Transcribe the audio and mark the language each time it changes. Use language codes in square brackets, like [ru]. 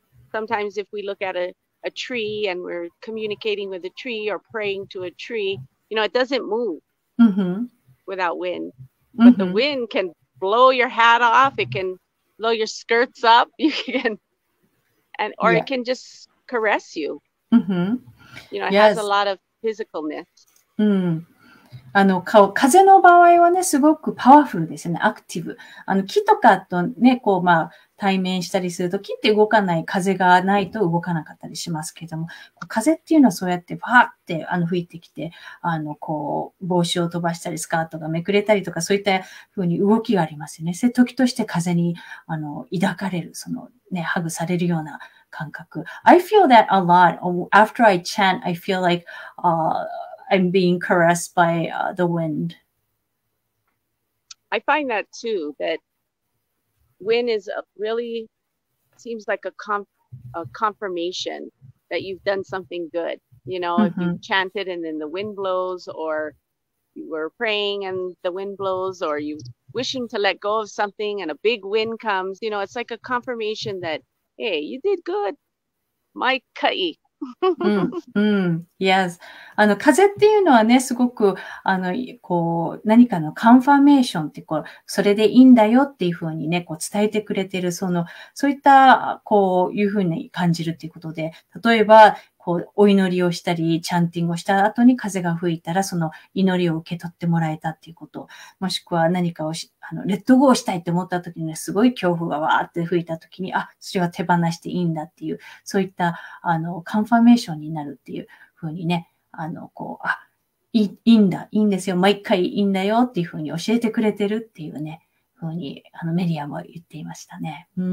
[en] Sometimes if we look at a tree and we're communicating with a tree or praying to a tree, you know, it doesn't move without wind. But the wind can blow your hat off. It can blow your skirts up. You can, or it can just caress you. You know, it has a lot of physicalness. [ja] 風の場合はね、すごくパワフルですよね、アクティブ。木とかとね、こう、まあ、対面したりすると、木って動かない、風がないと動かなかったりしますけども、風っていうのはそうやってバーって吹いてきて、こう、帽子を飛ばしたり、スカートがめくれたりとか、そういった風に動きがありますよね。時として風に、抱かれる、そのね、ハグされるような感覚。 [en] I feel that a lot. After I chant, I feel like, I'm being caressed by the wind. I find that too, that wind is really seems like a confirmation that you've done something good. You know, if you chanted and then the wind blows, or you were praying and the wind blows, or you wishing to let go of something and a big wind comes, you know, it's like a confirmation that, hey, you did good. [haw] Mai ka'i. [en] Yes. [ja] 風っていうのはね、すごく、こう、何かのカンファーメーションって、こう、それでいいんだよっていうふうにね、こう、伝えてくれてる、そういった、こう、いうふうに感じるっていうことで、例えば、こう、お祈りをしたり、チャンティングをした後に風が吹いたら、その祈りを受け取ってもらえたっていうこと、もしくは何かをレッドゴーしたいって思った時に、ね、すごい恐怖がわーって吹いた時に、あ、それは手放していいんだっていう、そういった、カンファーメーションになるっていうふうにね、こう、あ、いいんだ、いいんですよ、毎回いいんだよっていうふうに教えてくれてるっていうね、ふうに、メディアも言っていましたね。